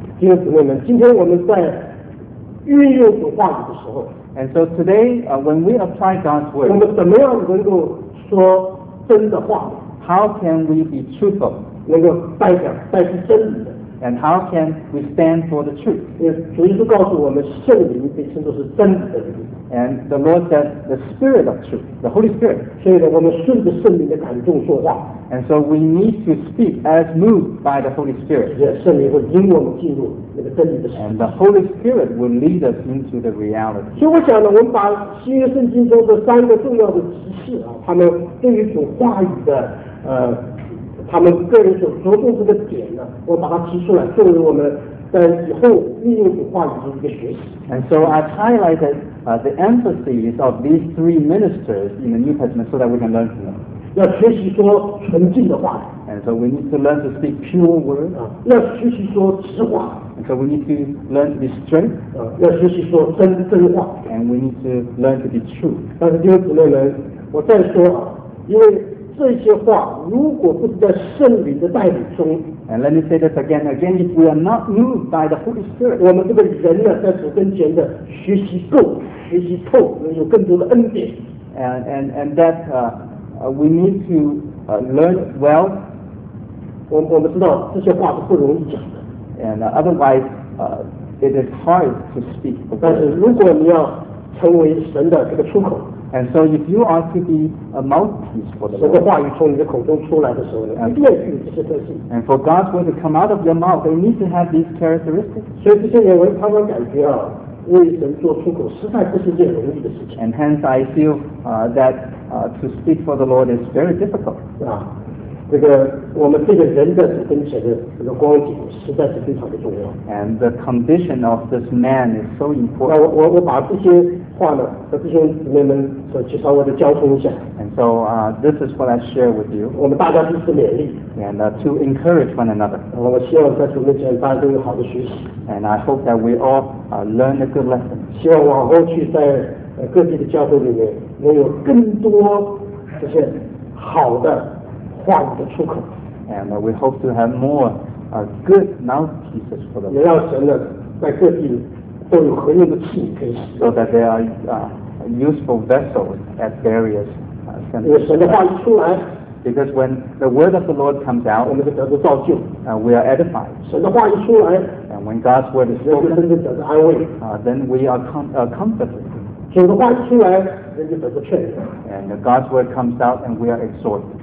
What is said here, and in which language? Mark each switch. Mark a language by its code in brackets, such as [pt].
[zh] 弟兄姊妹们，今天我们在运用主话语的时候， [en] And so today, when we apply God's word, [zh] 我们怎么样能够说真的话？ [en] How can we be truthful? [zh] 能够代表真理的？ [en] And how can we stand for the truth? [zh] 主耶稣告诉我们，圣灵被称作是真理的灵。 [en] And the Lord says the Spirit of truth, the Holy Spirit. [zh] 所以呢，我们顺着圣灵的感动说话。 [en] And so we need to speak as moved by the Holy Spirit. [zh] 也圣灵会引我们进入那个真理的。 [en] And the Holy Spirit will lead us into the reality. [zh] 所以我想呢，我们把新约圣经中的三个重要的启示他们对于主话语的他们个人所着重这个点呢，我把它提出来，作为我们在以后利用主话语的一个学习。 [en] And so I've highlighted the emphasis of these three ministers in the New Testament so that we can learn from them. [zh] 要学习说纯净的话。 [en] And so we need to learn to speak pure words. [zh] 要学习说实话。 [en] And so we need to learn to be straight. [zh] 要学习说真话。 [en] And we need to learn to be true. [zh] 但是弟兄姊妹们，我再说啊，因为这些话如果不在圣灵的带领中， [en] And let me say this again, if we are not moved by the Holy Spirit, [zh] 我们这个人呢，在主跟前的学习够、学习透，能有更多的恩典。 [en] And that we need to learn well. [zh] 我们知道这些话是不容易讲的。 [en] And otherwise, it is hard to speak. [zh] 但是如果你要成为神的这个出口。 [en] And so if you are to be a mouthpiece for the Lord, [zh] 神的话语从你的口中出来的时候呢，必须有这些特性。 [en] And for God's word to come out of your mouth, they need to have these characteristics. [zh] 所以这些人常常感觉啊，为神做出口实在不是件容易的事情。 [en] And hence I feel that to speak for the Lord is very difficult. [zh] 这个我们这个人的主跟前的这个光景实在是非常的重要。 [en] And the condition of this man is so important. [zh] 我把这些话呢和弟兄姊妹们所去稍微的交通一下。 [en] And so this is what I share with you. [zh] 我们大家彼此勉励。 [en] And to encourage one another. [zh] 我希望在主面前大家都有好的学习。 [en] And I hope that we all learn a good lesson. [zh] 希望往后去在各地的教会里面能有更多这些好的话语的出口。 [en] And we hope to have more good mouthpieces for the Lord. [zh] 也让神呢在各地都有合用的器皿可以使用。 [en] So that there are useful vessels at various centers. [zh] 因为神的话语出来。 [en] Because when the word of the Lord comes out, [zh] 我们就得到造就。 [en] We are edified. [zh] 神的话语出来。 [en] And when God's word is spoken, [zh] 人就得到安慰。 [en] Then we are comforted. [zh] 主的话语出来，人就得到劝勉。 [en] And God's word comes out, and we are exhorted.